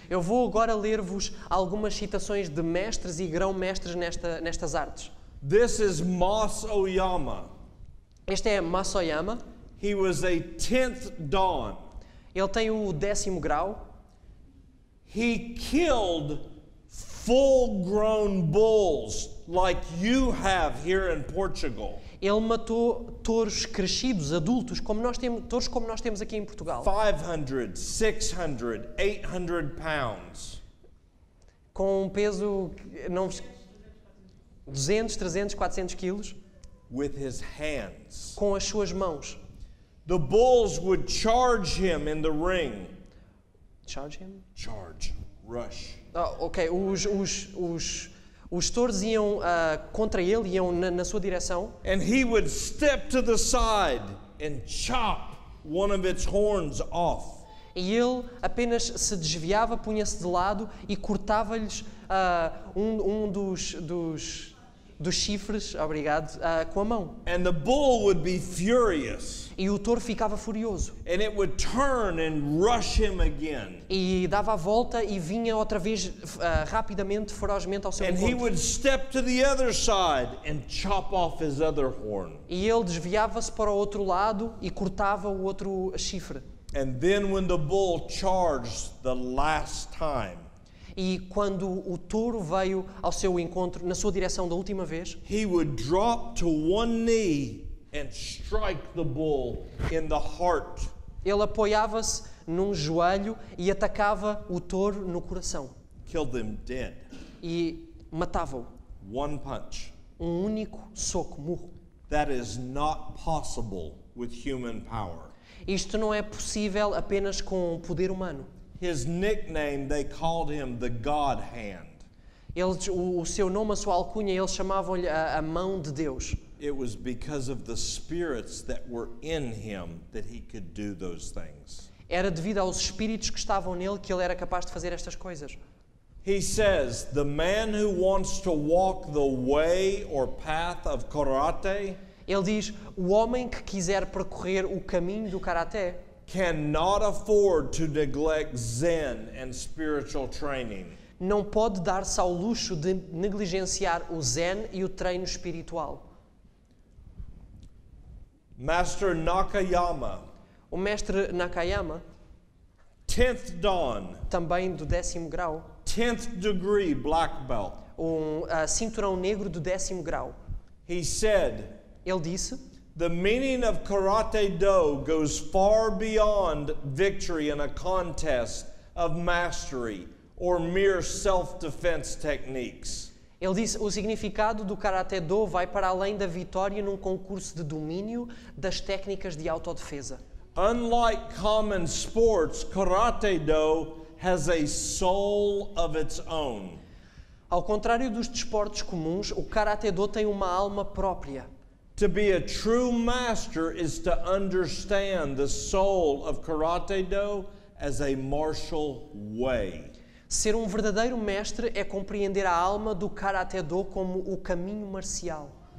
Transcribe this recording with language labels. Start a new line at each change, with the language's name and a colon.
Portuguese: Eu vou agora ler-vos algumas citações de mestres e grão-mestres nestas artes.
English: This is Masoyama.
Portuguese: Este é Masoyama.
English: He was a 10th dan.
Portuguese: Ele tem o décimo grau.
English: He killed full-grown bulls like you have here in Portugal.
Portuguese: Ele matou touros crescidos, adultos, touros como nós temos aqui em Portugal.
English: 500, 600, 800 pounds.
Portuguese: Com um peso, não, 200, 300, 400 quilos.
English: With his hands.
Portuguese: Com as suas mãos.
English: The bulls would charge him in the ring. Charge him? Charge. Rush.
Portuguese: Oh, ok, os touros iam contra ele, iam na sua direção.
English: And he would step to the side and chop one of its horns off.
Portuguese: E ele apenas se desviava, punha-se de lado e cortava-lhes um dos chifres, obrigado, com a mão.
English: And the bull would be furious.
Portuguese: E o touro ficava furioso.
English: And it would turn and rush him again.
Portuguese: E dava a volta e vinha outra vez rapidamente, ferozmente ao seu encontro.
English: And he would step to the other side and chop off his other horn.
Portuguese: E ele desviava-se para o outro lado e cortava o outro chifre.
English: And then when the bull charged the last time,
Portuguese: e quando o touro veio ao seu encontro, na sua direção da última vez,
English: he would drop to one knee and strike the bull in the heart.
Portuguese: Ele apoiava-se num joelho e atacava o touro no coração.
English: Killed him dead.
Portuguese: E matava-o.
English: One punch.
Portuguese: Um único soco, murro.
English: That is not possible with human power.
Portuguese: Isto não é possível apenas com poder humano.
English: His nickname, they called him the God Hand.
Portuguese: Eles, o seu nome, a sua alcunha, eles chamavam-lhe a mão de Deus.
English: It was because of the spirits that were in him that he could do those things.
Portuguese: Era devido aos espíritos que estavam nele que ele era capaz de fazer estas coisas.
English: He says, the man who wants to walk the way or path of karate,
Portuguese: ele diz, o homem que quiser percorrer o caminho do karate,
English: cannot afford to neglect Zen and spiritual training.
Portuguese: Não pode dar-se ao luxo de negligenciar o Zen e o treino espiritual.
English: Master Nakayama.
Portuguese: O mestre Nakayama.
English: 10th dan.
Portuguese: Também do décimo grau.
English: 10th degree black belt.
Portuguese: Cinturão negro do décimo grau.
English: He said.
Portuguese: Ele disse.
English: The meaning of karate do goes far beyond victory in a contest of mastery or mere self-defense techniques.
Portuguese: Ele disse, o significado do karate do vai para além da vitória num concurso de domínio das técnicas de autodefesa.
English: Unlike common sports, karate do has a soul of its own.
Portuguese: Ao contrário dos desportos comuns, o karate do tem uma alma própria.
English: To be a true master is to understand the soul of karate do as a martial way.
Portuguese: Ser um verdadeiro mestre é compreender a alma do karate do como o caminho marcial.